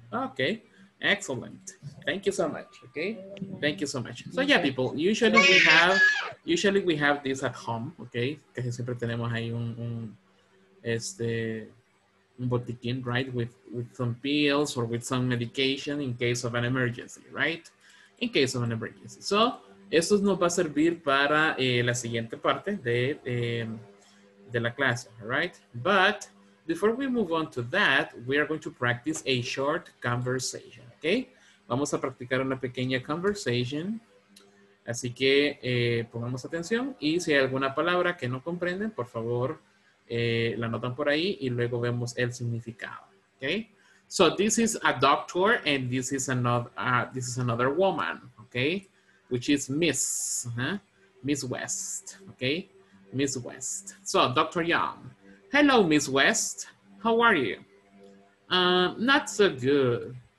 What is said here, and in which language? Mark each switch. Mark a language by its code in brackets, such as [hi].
[en] Okay, excellent. Thank you so much. Okay. Thank you so much. So yeah, people, usually we have this at home, okay? [es] Casi siempre tenemos ahí un botiquín, right? [en] With some pills or with some medication in case of an emergency, right? In case of an emergency. [es] So eso nos va a servir para la siguiente parte de la clase, right? [en] But before we move on to that, we are going to practice a short conversation, okay? [es] Vamos a practicar una pequeña conversation. Así que pongamos atención y si hay alguna palabra que no comprenden, por favor, la anotan por ahí y luego vemos el significado, okay? [en] So this is a doctor and this is another woman, okay? Which is Miss, Miss West, okay? Miss West. So Dr. Young. Hello, Miss West. How are you? Not so good.